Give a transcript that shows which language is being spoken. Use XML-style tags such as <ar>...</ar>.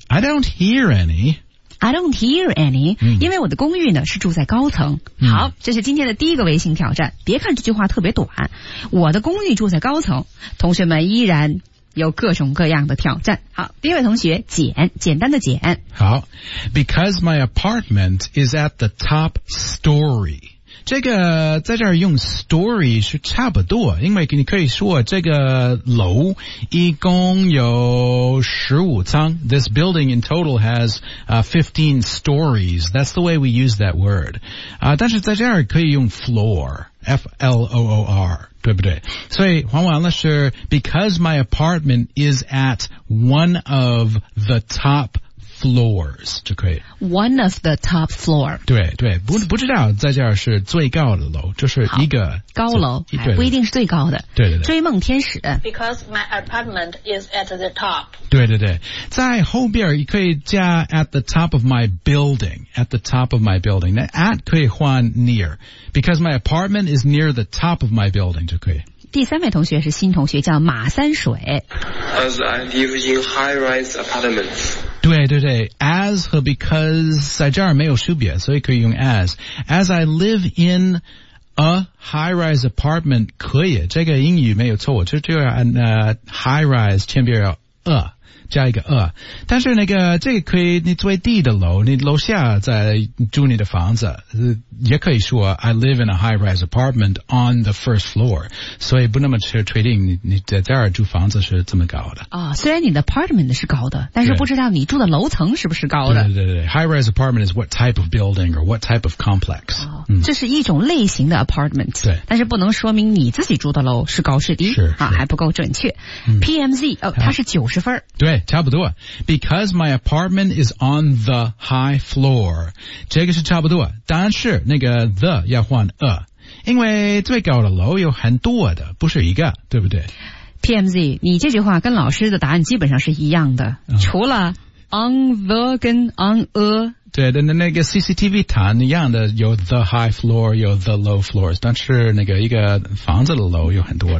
<en>I don't hear any. I don't hear any.</en> <zh>因为我的公寓呢是住在高层。好，这是今天的第一个微信挑战。别看这句话特别短，我的公寓住在高层，同学们依然有各种各样的挑战。好，第一位同学简，简单的简。</zh> <en>好， because my apartment is at the top story.</en> <zh>这个在这儿用 story 是差不多，因为你可以说这个楼一共有15层。</zh> <en>This building in total has 15 stories. That's the way we use that word.</en> <zh>但是在这儿可以用</zh> <en>floor. F-L-O-O-R,</en> <zh>对不对？所以黄婉老师</zh> <en>because my apartment is at one of the top floors,</en> <zh>就可以。</zh> <en>One of the top floor.</en> <zh>对对 不知道在这儿是最高的楼，就是一个。高楼，不一定是最高的。对对对。追梦天使。</zh> <en>Because my apartment is at the top.</en> <zh>对对对。在后边你可以加</zh> <en>at the top of my building, at the top of my building.</en> <zh>那 at 可以换</zh> <en>near. Because my apartment is near the top of my building,</en> <zh>就可以。第三位同学是新同学，叫马三水。</zh> <en>As I live in high-rise apartments.</en> <zh>对对对 ，as 和 because 在这儿没有区别，所以可以用 as。</zh> <en>As I live in a high-rise apartment，</en> <zh>可以，这个英语没有错，就要按high-rise 前边要 a 加一个 a。但是那个这个可以，你最低的楼，你楼下在住你的房子。</zh> <en>也可以说 I live in a high-rise apartment on the first floor.</en> <zh>所以不那么确定 你在这儿住房子是这么高的。啊、虽然你的 apartment 是高的，但是不知道你住的楼层是不是高的。对对 对，</zh> <en>high-rise apartment is what type of building or what type of complex.、</en> <zh>哦、这是一种类型的 apartment. 对。但是不能说明你自己住的楼是高是低。是。啊、还不够准确。PMZ,、它是90分。对差不多。</zh> <en>Because my apartment is on the high floor.</en> <zh>这个是差不多。但是那个 the 要换 a， 因为最高的楼有很多的，不是一个，对不对？PMZ， 你这句话跟老师的答案基本上是一样的，除了 on the 跟 on a。对的，那个 CCTV 谈一样的，有 the high floor， 有 the low floors， 但是那个一个房子的楼有很多的，</zh>